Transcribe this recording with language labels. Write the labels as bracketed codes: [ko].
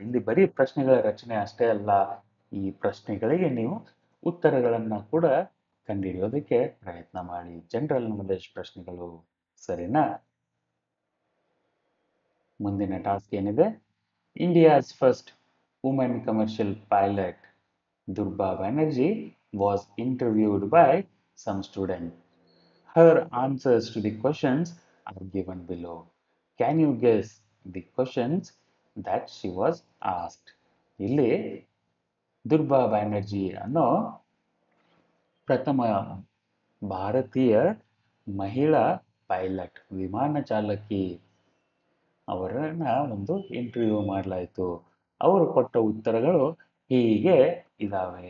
[kn] ಇಲ್ಲಿ ಬರೀ ಪ್ರಶ್ನೆಗಳ ರಚನೆ ಅಷ್ಟೇ ಅಲ್ಲ, ಈ ಪ್ರಶ್ನೆಗಳಿಗೆ ನೀವು ಉತ್ತರಗಳನ್ನು ಕೂಡ ಕಂಡುಹಿಡಿಯೋದಕ್ಕೆ ಪ್ರಯತ್ನ ಮಾಡಿ. ಜನರಲ್ ನಾಲೆಜ್ ಪ್ರಶ್ನೆಗಳು ಸರಿನಾ. ಮುಂದಿನ ಟಾಸ್ಕ್ ಏನಿದೆ, [en] India's first women commercial pilot Durba Banerjee was interviewed by some student. Her answers to the questions are given below. Can you guess the questions that she was asked. [kn] ಇಲ್ಲಿ ದುರ್ಬಾ ಬ್ಯಾನರ್ಜಿ ಅನ್ನೋ ಪ್ರಥಮ ಭಾರತೀಯ ಮಹಿಳಾ ಪೈಲಟ್ ವಿಮಾನ ಚಾಲಕಿ ಅವರನ್ನ ಒಂದು ಇಂಟರ್ವ್ಯೂ ಮಾಡಲಾಯಿತು. ಅವರು ಕೊಟ್ಟ ಉತ್ತರಗಳು ಹೀಗೆ ಇದ್ದಾವೆ.